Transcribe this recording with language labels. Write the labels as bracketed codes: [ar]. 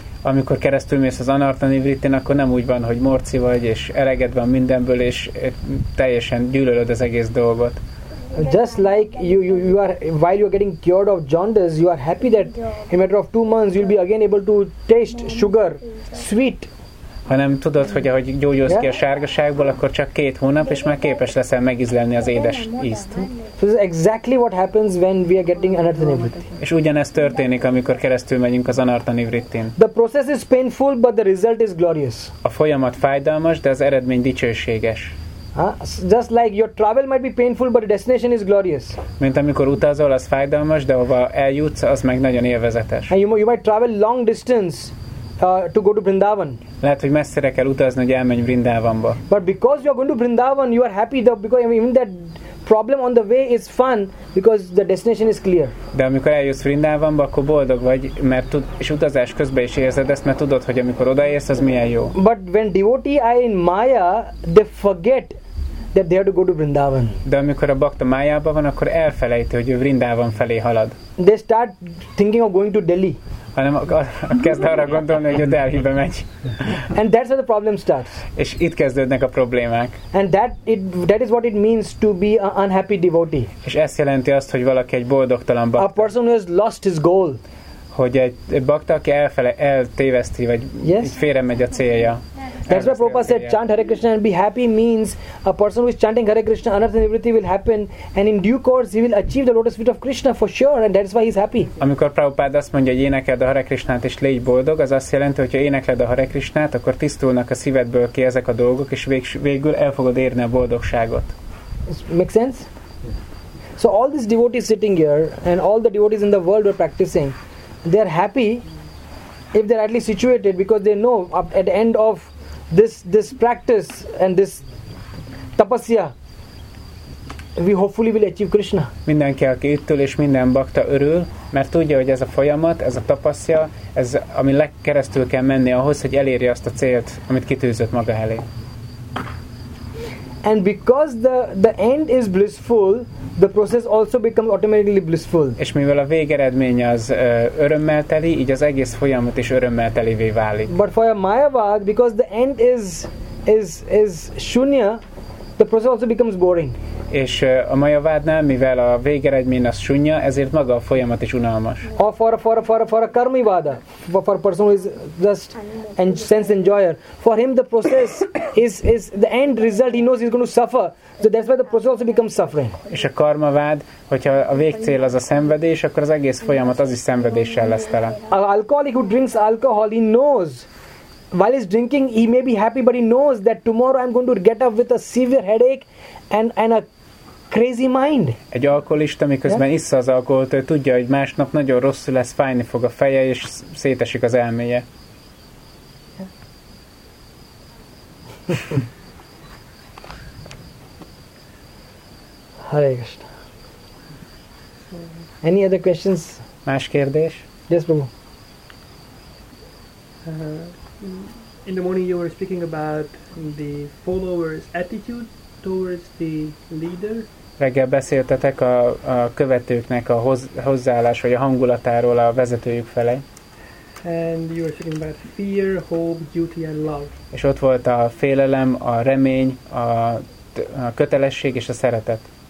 [hu] Amikor keresztül mész az anartha nivrittin, akkor nem úgy van, hogy morci vagy, és eleged van mindenből, és teljesen gyűlölöd az egész dolgot. [en] Just like you are, while you are getting cured of jaundice, you are happy that in a matter of 2 months you'll be again able to taste sugar, sweet. [hu] Ha nem tudod, hogy ahogy gyógyulsz ki a sárgaságból, akkor csak 2 hónap, és már képes leszel megízlelni az édes ízt. [en] So this is exactly what happens when we are getting anartha nivritti. [hu] És ugyanez történik, amikor keresztül megyünk az anartha nivrittin. [en] The process is painful, but the result is glorious. [hu] A folyamat fájdalmas, de az eredmény dicsőséges. [en] Just like your travel might be painful, but the destination is glorious. [hu] Mint amikor utazol, az fájdalmas, de hova eljutsz, az meg nagyon élvezetes. [en] And you might travel long distance to go to Vrindavan. [hu] Lehet, hogy messzire kell utazni, hogy elmenj Vrindavanba. [en] But because you are going to Vrindavan, you are happy, even that problem on the way is fun, because the destination is clear. [hu] De amikor eljutsz Vrindavanba, akkor boldog vagy, mert és utazás közben is érzed ezt, mert tudod, hogy amikor odaérsz, az milyen jó. [en] But when devotees are in Maya, they forget that they have to go to Vrindavan. [hu] De amikor a bhakta Mayába van, akkor elfelejti, hogy ő Vrindavan felé halad. [en] They start thinking of going to Delhi. [hu] Hanem kezd arra gondolni, hogy a Delhibe megy. [en] And that's where the problem starts. [hu] És itt kezdődnek a problémák. [en] And that is what it means to be an unhappy devotee. [hu] És ez jelenti azt, hogy valaki egy boldogtalan bhakta. [en] A person who has lost his goal. [hu] hogy egy bakta, aki elfele, eltéveszti, vagy [en] yes? [hu] félre megy a célja. [en] That's why Prabhupada said, chant Hare Krishna and be happy means a person who is chanting Hare Krishna, anartha nivritti will happen and in due course he will achieve the lotus feet of Krishna for sure, and that's why he is happy. [hu] Amikor Prabhupada azt mondja, hogy énekeld a Hare Krishnát és légy boldog, az azt jelenti, hogy ha énekled a Hare Krishnát, akkor tisztulnak a szívedből ki ezek a dolgok, és végül el fogod érni a boldogságot. [en] Make sense? So all these devotees sitting here and all the devotees in the world were practicing, they are happy if they are at least situated, because they know at the end of this practice and this tapasya, we hopefully will achieve Krishna. [hu] Mindenki, aki itt ül, és minden bakta örül, mert tudja, hogy ez a folyamat, ez a tapasya, ez ami legkeresztül kell menni ahhoz, hogy elérje azt a célt, amit kitűzött maga elé. [en] And because the end is blissful, the process also becomes automatically blissful. [hu] És mivel a végeredmény az örömmel teli, így az egész folyamat is örömmel telivé válik. [en] But for a Mayavad, because the end is shunya, the process also becomes boring. [hu] És a Mayavadnál, mivel a végeredmény az shunya, ezért maga a folyamat is unalmas. [en] Or for a Karmivada, for a person who is just a sense enjoyer, for him the process is the end result, he knows he's going to suffer. So that's why the process also becomes suffering. [hu] És a karmavád, hogyha a végcél az a szenvedés, akkor az egész folyamat az is szenvedéssel lesz tele. [en] An alcoholic who drinks alcohol, he knows. While he's drinking, he may be happy, but he knows that tomorrow I'm going to get up with a severe headache and a crazy mind. [hu] Egy alkoholista, miközben issza az alkoholt, ő tudja, hogy másnap nagyon rosszul lesz, fájni fog a feje, és szétesik az elméje. [en] Hare Krishna. Any other questions? [hu] Más kérdés? [en] Yes, Prabhu. In the morning you were speaking about the followers' attitude towards the leader. [hu] Reggel beszéltetek a követőknek a hozzáállás vagy a hangulatáról a vezetőjük felé. [en] And you were speaking about fear, hope, duty and love. [hu] És ott volt a félelem, a remény, a kötelesség és a szeretet.